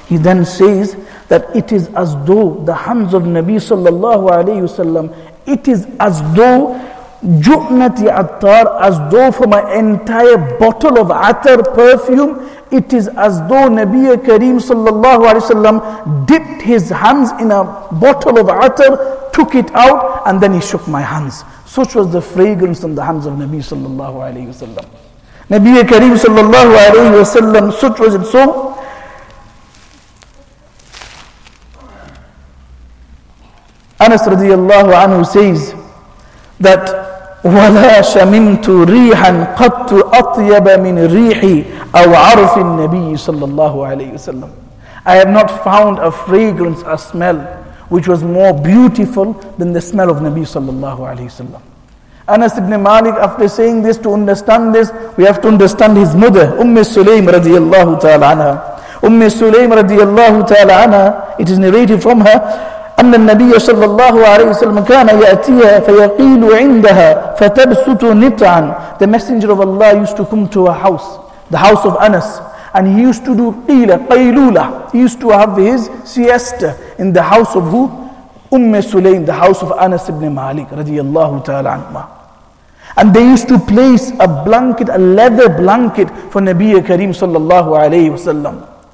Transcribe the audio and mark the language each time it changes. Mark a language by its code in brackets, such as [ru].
[en] He then says that it is as though the hands of Nabi sallallahu alayhi wasallam, it is as though ju'nati attar, as though from an entire bottle of attar perfume, it is as though Nabi Kareem sallallahu alayhi wasallam dipped his hands in a bottle of attar, took it out, and then he shook my hands. Such was the fragrance on the hands of Nabi sallallahu alayhi wasallam. Nabi Kareem sallallahu alayhi wasallam, such was it so. Anas radiallahu anhu says that [ar] وَلَا شَمِمْتُ رِيحًا قَدْتُ أَطْيَبَ مِنْ رِيحِ أَوْ عَرْفِ النَّبِيِّ صَلَّى اللَّهُ عَلَيْهِ وَسَلَّمُ. [en] I have not found a fragrance, a smell which was more beautiful than the smell of Nabi sallallahu alayhi wasallam. Anas ibn Malik, after saying this, to understand this, we have to understand his mother, Sulaym radiallahu ta'ala anha. Sulaym radiallahu ta'ala anha, it is narrated from her, [ar] أن النبي صلى الله عليه وسلم كان يأتيها فيقيل عندها فتبسط نطعا. [en] The Messenger of Allah used to come to a house, the house of Anas, and he used to do قيلة, قيلولة. He used to have his siesta in the house of who? Sulaym, the house of Anas ibn Malik [ar] رضي الله تعالى عنه. [en] And they used to place a blanket, a leather blanket for Nabi Kareem sallallahu alayhi wa sallam.